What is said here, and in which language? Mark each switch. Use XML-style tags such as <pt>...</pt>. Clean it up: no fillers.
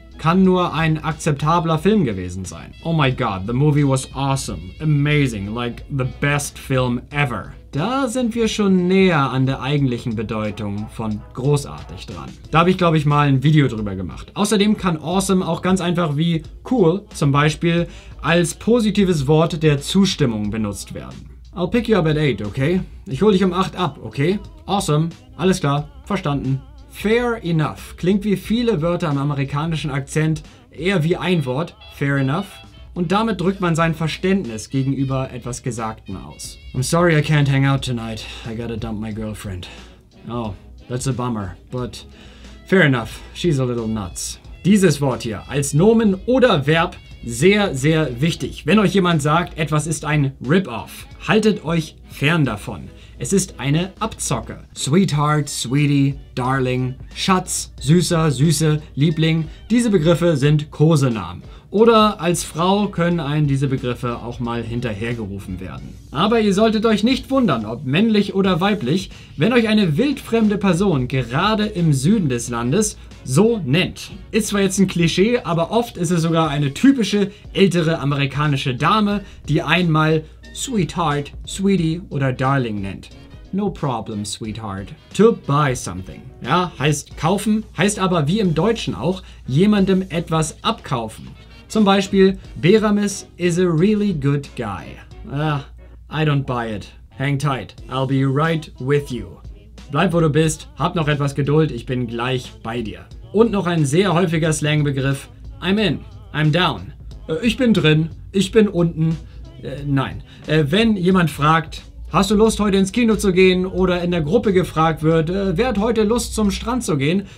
<de>Kann nur ein akzeptabler Film gewesen sein.</de> <en>Oh my god, the movie was awesome, amazing, like the best film ever.</en> <de>Da sind wir schon näher an der eigentlichen Bedeutung von großartig dran. Da habe ich, glaube ich, mal ein Video drüber gemacht. Außerdem kann awesome auch ganz einfach wie cool zum Beispiel als positives Wort der Zustimmung benutzt werden.</de> <en>I'll pick you up at 8, okay?</en> <de>Ich hole dich um 8 ab, okay? Awesome, alles klar, verstanden. Fair enough klingt wie viele Wörter im amerikanischen Akzent eher wie ein Wort, fair enough. Und damit drückt man sein Verständnis gegenüber etwas Gesagten aus.</de> <en>I'm sorry I can't hang out tonight. I gotta dump my girlfriend. Oh, that's a bummer. But fair enough, she's a little nuts.</en> <de>Dieses Wort hier, als Nomen oder Verb, sehr, sehr wichtig. Wenn euch jemand sagt, etwas ist ein Rip-Off, haltet euch fern davon. Es ist eine Abzocke. Sweetheart, Sweetie, Darling, Schatz, Süßer, Süße, Liebling. Diese Begriffe sind Kosenamen. Oder als Frau können einem diese Begriffe auch mal hinterhergerufen werden. Aber ihr solltet euch nicht wundern, ob männlich oder weiblich, wenn euch eine wildfremde Person gerade im Süden des Landes so nennt. Ist zwar jetzt ein Klischee, aber oft ist es sogar eine typische ältere amerikanische Dame, die einmal Sweetheart, Sweetie oder Darling nennt.</de> <en>No problem, Sweetheart. To buy something.</en> <de>Ja, heißt kaufen, heißt aber wie im Deutschen auch, jemandem etwas abkaufen. Zum Beispiel,</de> <en>Beramis is a really good guy. I don't buy it. Hang tight, I'll be right with you.</en> <de>Bleib wo du bist, hab noch etwas Geduld, ich bin gleich bei dir. Und noch ein sehr häufiger Slangbegriff,</de> <en>I'm in, I'm down.</en> <de>Ich bin drin, ich bin unten. Wenn jemand fragt, hast du Lust heute ins Kino zu gehen? Oder in der Gruppe gefragt wird, wer hat heute Lust zum Strand zu gehen?</de>